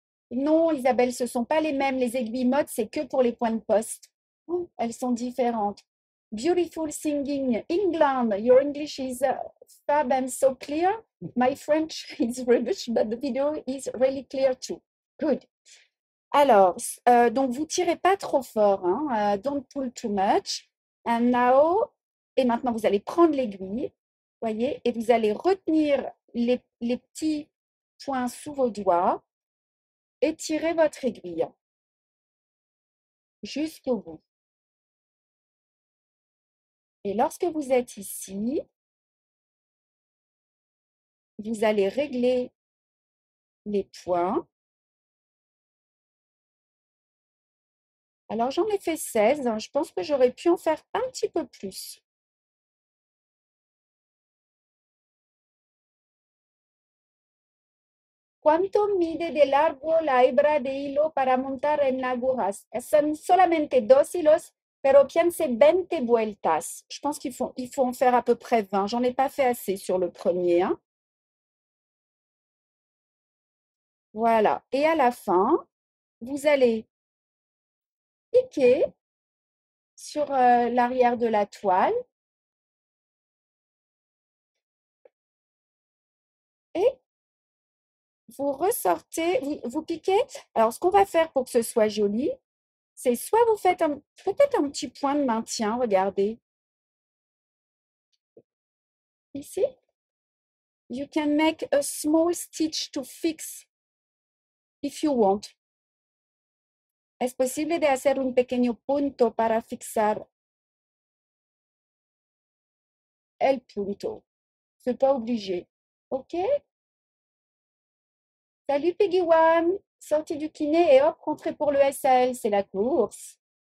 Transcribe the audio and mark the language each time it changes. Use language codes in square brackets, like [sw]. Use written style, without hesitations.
[fr] Non, Isabelle, ce ne sont pas les mêmes. Les aiguilles mode, c'est que pour les points de poste. Elles sont différentes. [en] Beautiful singing. England, your English is fab and so clear. My French is rubbish, but the video is really clear too. Good. [fr] Alors, donc vous ne tirez pas trop fort. Hein? [en] Don't pull too much. And now, [fr] et maintenant, vous allez prendre l'aiguille, voyez, et vous allez retenir les petits points sous vos doigts et tirer votre aiguille jusqu'au bout. Et lorsque vous êtes ici, vous allez régler les points. Alors, j'en ai fait 16. Hein. Je pense que j'aurais pu en faire un petit peu plus. [es] ¿Cuánto mide de largo la hebra de hilo para montar en la aguja? Son solamente dos hilos, pero piense 20 vueltas. [fr] Je pense qu'il faut, il faut en faire à peu près 20. J'en ai pas fait assez sur le premier. Hein. Voilà. Et à la fin, vous allez piquer sur l'arrière de la toile. Et vous ressortez, vous piquez. Alors, ce qu'on va faire pour que ce soit joli, c'est soit vous faites peut-être un petit point de maintien, regardez. Ici. [en] You can make a small stitch to fix if you want. [es] ¿Es posible de hacer un pequeño punto para fixar el punto? [fr] C'est pas obligé. OK? Salut Peggy One, sortie du kiné et hop, rentrée pour le SAL, c'est la course.